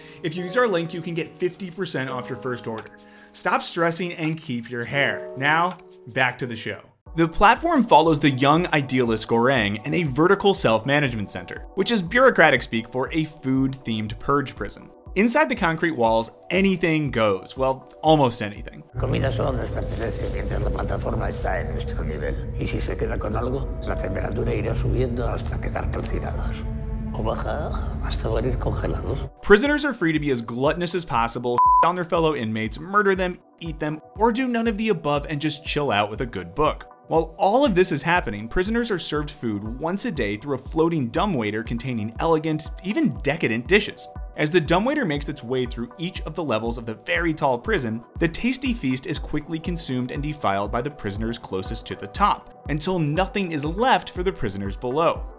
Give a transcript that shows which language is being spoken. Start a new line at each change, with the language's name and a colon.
English: If you use our link, you can get 50% off your first order. Stop stressing and keep your hair. Now, back to the show. The platform follows the young idealist Goreng in a vertical self-management center, which is bureaucratic speak for a food-themed purge prison. Inside the concrete walls, anything goes. Well, almost anything.
Spanish: Comida solo nos pertenece mientras la plataforma está en nuestro nivel. Y si se queda con algo, la temperatura irá subiendo hasta quedar calcinados. O baja hasta morir congelados.
English: Prisoners are free to be as gluttonous as possible, on their fellow inmates, murder them, eat them, or do none of the above and just chill out with a good book. While all of this is happening, prisoners are served food once a day through a floating dumbwaiter containing elegant, even decadent dishes. As the dumbwaiter makes its way through each of the levels of the very tall prison, the tasty feast is quickly consumed and defiled by the prisoners closest to the top, until nothing is left for the prisoners below.